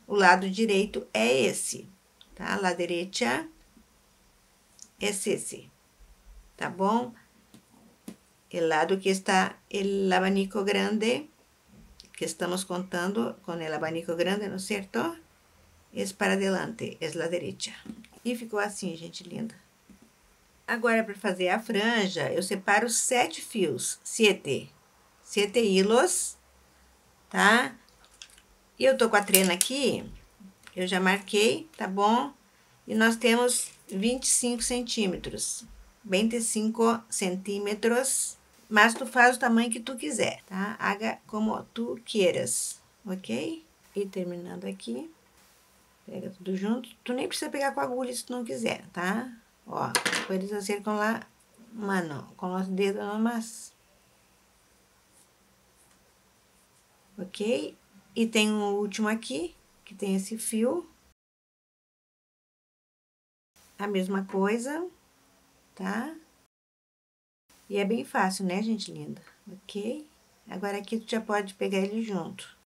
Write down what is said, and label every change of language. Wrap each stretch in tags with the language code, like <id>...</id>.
<pt>O lado direito é esse. Tá?</pt> <es>La derecha</es> <pt>é esse, tá bom?</pt> <es>El lado que está el abanico grande, que estamos contando com el abanico grande,</es> <pt>não é certo?</pt> <es>Es para adelante, es la derecha.</es> <pt>E ficou assim, gente linda. Agora, para fazer a franja, eu separo 7 fios, 7. 7</pt> <es>hilos,</es> <pt>tá? E eu tô com a trena aqui, eu já marquei, tá bom? E nós temos 25 centímetros, 25 centímetros, mas tu faz o tamanho que tu quiser, tá?</pt> <es>Haga</es> <pt>como tu queiras, ok? E terminando aqui, pega tudo junto. Tu nem precisa pegar com agulha se tu não quiser, tá?</pt> <es>Ó, puedes hacer con la mano,</es> <pt>com os dedos</pt> <es>nomás.</es> <pt>Ok? E tem um último aqui, que tem esse fio. A mesma coisa, tá? E é bem fácil, né, gente linda? Ok? Agora aqui tu já pode pegar ele junto.</pt>